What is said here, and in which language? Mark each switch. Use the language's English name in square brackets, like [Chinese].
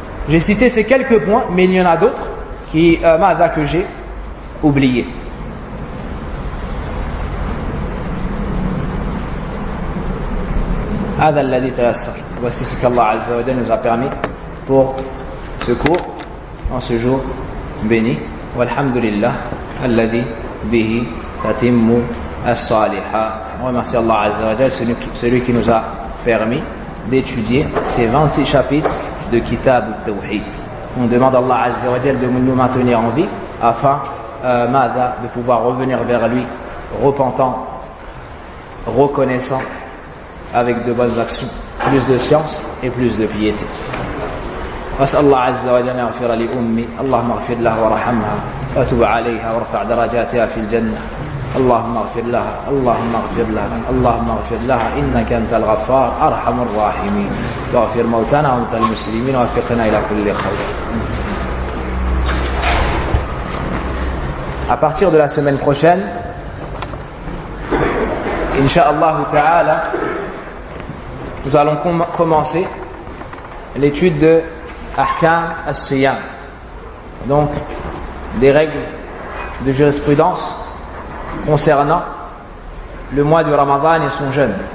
[French] J'ai cité ces quelques points, mais il y en a d'autres que j'ai oubliés. [Arabic] هذا الذي تيسر [French] voici ce qu'Allah Azza wa Jalla nous a permis pour ce cours en ce jour béni. [Arabic] والحمد لله الذي به تتم الصالحات. [French] On remercie Allah Azza wa Jalla, celui qui nous a permis d'étudier ces 26 chapitres de Kitab al-Tawhid. On demande à Allah Azza wa Jalla de nous maintenir en vie afin de pouvoir revenir vers lui repentant, reconnaissant, avec de bonnes actions, plus de science et plus de piété. [Arabic] وأسأل الله عز وجل أن يغفر لأمي، اللهم اغفر لها ورحمها، وتب عليها وارفع درجاتها في الجنة، اللهم اغفر لها، اللهم اغفر لها، اللهم اغفر لها، إنك أنت الغفار أرحم الراحمين، واغفر موتنا وموتى المسلمين، وفقنا إلى كل خير. [French] À partir de la semaine prochaine, [Arabic] إن شاء الله تعالى, [French] nous allons commencer l'étude de Ahkam al-Siyam, donc des règles de jurisprudence concernant le mois du Ramadan et son jeûne.